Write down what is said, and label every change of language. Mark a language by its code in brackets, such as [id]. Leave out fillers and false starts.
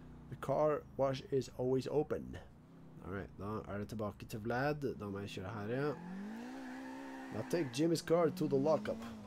[en] The car wash is always open. [no] Alright, da er det tilbake til Vlad. Da må jeg kjøre her, ja. [en] Now take Jimmy's car to the lockup.